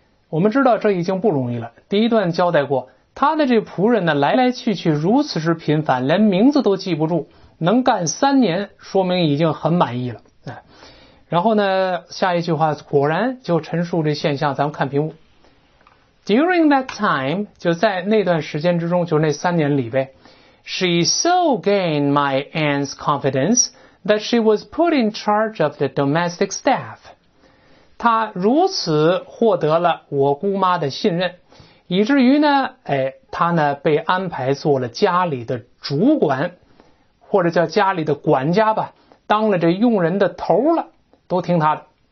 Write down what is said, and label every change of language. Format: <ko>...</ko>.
<zh>我们知道这已经不容易了。第一段交代过他的这仆人呢来来去去如此之频繁，连名字都记不住，能干3年说明已经很满意了。然后呢下一句话果然就陈述这现象，咱们看屏幕。</zh> <en>During that time,</en> <zh>就在那段时间之中，就那3年里呗。</zh> <en>She so gained my aunt's confidence,that she was put in charge of the domestic staff.</en> <zh>她如此获得了我姑妈的信任，以至于呢，哎，她呢被安排做了家里的主管，或者叫家里的管家吧，当了这佣人的头了，都听她的。</zh>